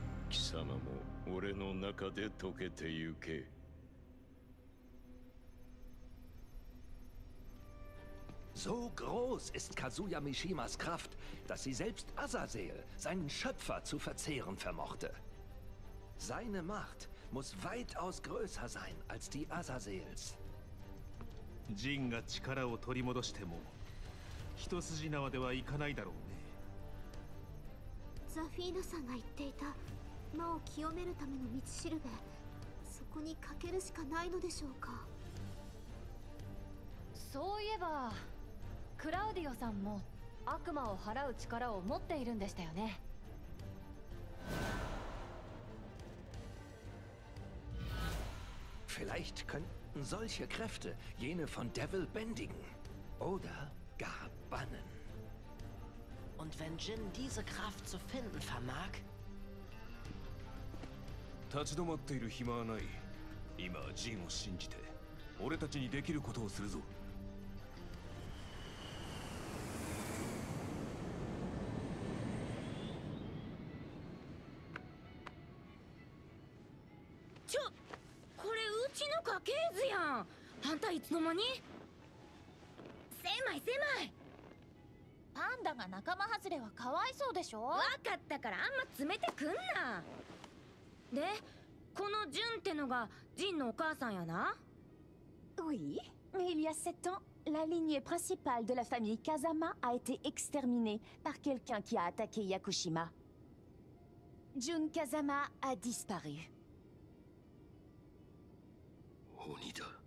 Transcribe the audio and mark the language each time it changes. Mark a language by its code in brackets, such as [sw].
[ja] 貴様も俺の中で溶けてゆけ。 [de] So groß ist Kazuya Mishimas Kraft, dass sie selbst Azazel, seinen Schöpfer, zu verzehren vermochte. Seine Macht muss weitaus größer sein als die Azazels. [ja] Jin が力を取り戻しても、一筋縄ではいかないだろうね。ザフィーナさんが言っていた。魔を清めるための道しるべ、そこにかけるしかないのでしょうか。そういえば、クラウディオさんも悪魔を払う力を持っているんでしたよね。 [de] Vielleicht könnten solche Kräfte jene von Devil bändigen oder gar bannen. Und wenn Jin diese Kraft zu finden vermag. [ja] 立ち止まっている暇はない。今ジンを信じて、俺たちにできることをするぞ。ちょ、これうちの家系図やん。あんたいつの間に？狭い狭い。パンダが仲間外れはかわいそうでしょ。わかったからあんま詰めてくんな。で、このジュンってのがジンのお母さんやな。 [fr] Oui, mais il y a 7 ans, la lignée principale de la famille Kazama a été exterminée par quelqu'un qui a attaqué Yakushima. Jun Kazama a disparu. Onida.